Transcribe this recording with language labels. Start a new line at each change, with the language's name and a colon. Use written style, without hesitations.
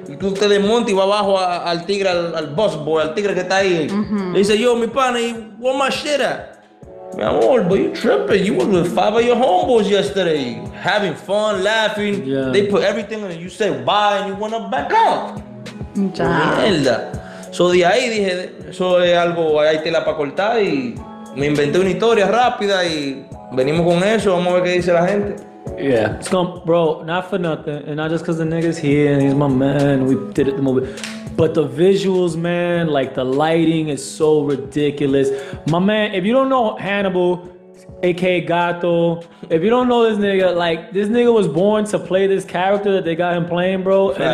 English: You go to the monte,
Spanish: va abajo al tigre, al bus boy, al tigre que está ahí.
English: They say, yo,
Spanish: mi pana,
English: where my shit at? Man, I'm old, but you're tripping. You were with five of your homeboys yesterday, having fun, laughing. Yeah. They put everything on you, said bye, and you went up back up.
Spanish: Mierda. So de ahí dije, eso es algo, hay tela para cortar, y me inventé una historia rápida, y venimos con eso, vamos a ver qué dice la gente.
English: Yeah. Bro, not for nothing, and not just because the nigga's here, and he's my man, we did it the movie. But the visuals, man, like the lighting is so ridiculous. My man, if you don't know Hannibal, aka Gato, if you don't know this nigga, like, this nigga was born to play this character that they got him playing, bro. Fact.